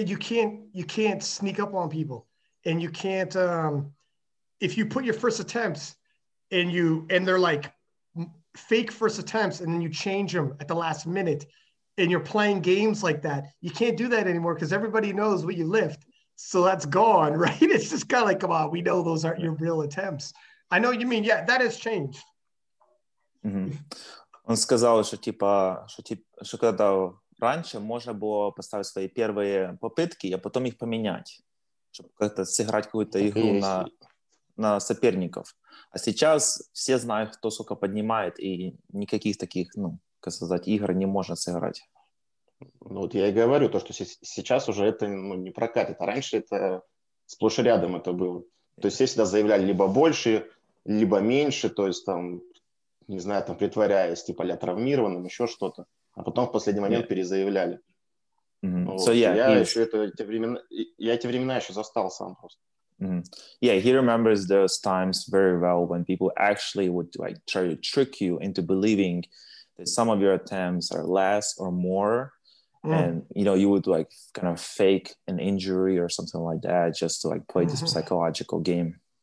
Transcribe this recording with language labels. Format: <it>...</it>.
<en>You can't sneak up on people and you can't, if you put your first attempts, and they're like fake first attempts and then you change them at the last minute and you're playing games like that. You can't do that anymore because everybody knows what you lift. So that's gone, right? It's just kind of like, come on, we know those aren't your real attempts. I know what you mean. Yeah, that has changed.</en> <uk>Он сказав, що типа, що коли раніше можна було поставити свої перші попитки, а потім їх поміняти, щоб</uk> <ru>как-то сыграть какую-то игру на соперников. А сейчас все знают, кто сколько поднимает, и никаких таких, ну, как сказать, игр не можно сыграть. Ну, вот я и говорю, то, что сейчас уже это ну, не прокатит. А раньше это сплошь и рядом это было. То есть все всегда заявляли либо больше, либо меньше. То есть там не знаю, там притворяясь, типа ля травмированным, еще что-то, а потом в последний момент перезаявляли. Я эти времена еще застал сам просто. Mm-hmm.</ru> <en>Yeah, he remembers those times very well when people actually would like try to trick you into believing that some of your attempts are less or more, and you know, you would like kind of fake an injury or something like that just to like play this psychological game.</en>